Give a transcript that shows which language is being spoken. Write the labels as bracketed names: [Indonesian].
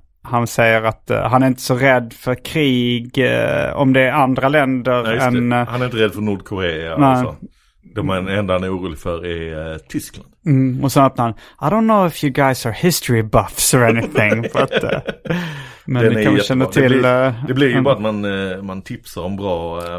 [Swedish] han säger att han är inte så rädd för krig om det är andra länder. Nej, än... Det. Han är inte rädd för Nordkorea. Nej. Alltså. De enda han är orolig för är Tyskland. Mm. Och så öppnar han, [English] I don't know if you guys are history buffs or anything. But, [Swedish] men det kan vi känna till. Det blir ju bara att man tipsar om bra,